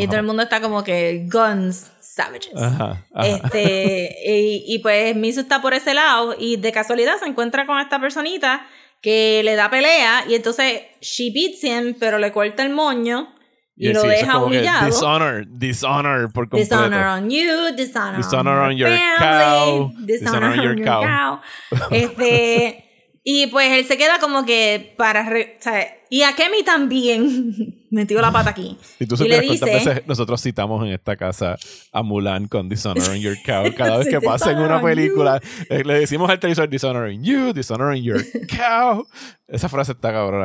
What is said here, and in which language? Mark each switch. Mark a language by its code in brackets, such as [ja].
[es] Japón. Y todo el mundo está como que [en] guns, savages. [es] Ajá, ajá. Este, y pues Mizu está por ese lado y de casualidad se encuentra con esta personita que le da pelea y entonces [en] she beats him, [es] pero le corta el moño. Y lo deja humillado. Dishonor por completo. [en] Dishonor on you, dishonor on your family, dishonor on your cow. [es] Este, y pues él se queda como que para... y Akemi también metió la pata aquí. Y tú supieras cuántas veces nosotros citamos en esta casa a Mulan con [en] Dishonor on Your Cow. [es] Cada vez que pasa en una película, le decimos al televisor [en] Dishonor on You, Dishonor on Your Cow. [es] Esa frase está cabrón.